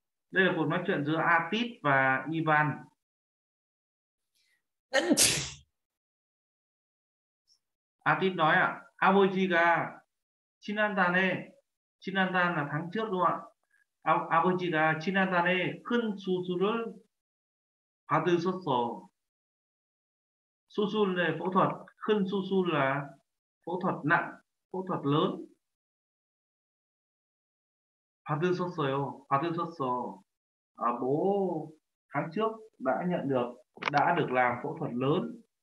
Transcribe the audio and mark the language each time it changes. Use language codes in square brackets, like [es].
[vi] Đây là cuộc nói chuyện giữa Atit và Ivan. Atit nói ạ, [ko] Abojiga Chinandane. Chinandane [vi] là tháng trước đúng không ạ? [ko] Abojiga Chinandane 큰 수술을 받으셨어. 수술 [vi] là phẫu thuật, [ko] 큰 수술 [vi] là phẫu thuật nặng, phẫu thuật lớn. [ko] 받으셨어요, 받으셨어. [vi] À, bố tháng trước đã nhận được, đã được làm phẫu thuật lớn.